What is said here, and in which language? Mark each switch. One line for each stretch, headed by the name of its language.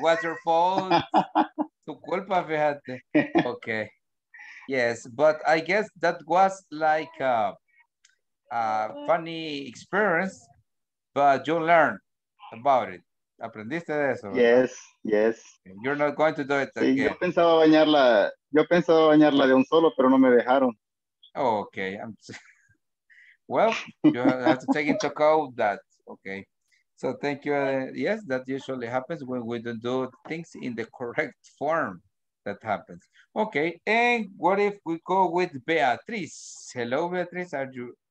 English: What's your fault?
Spanish: Tu culpa, fíjate.
English: Okay. Yes, but I guess that was like a funny experience, but you learned about it.
Spanish: ¿Aprendiste de eso? ¿Verdad?
English: Yes, yes. You're not going to do it
Spanish: sí,
English: again.
Spanish: Yo pensaba bañarla de un solo, pero no me dejaron.
English: Okay. Well, you have to take into account that. Okay, so thank you. Yes, that usually happens when we don't do things in the correct form. That happens. Okay, and what if we go with Beatriz? Hello, Beatriz. Are you?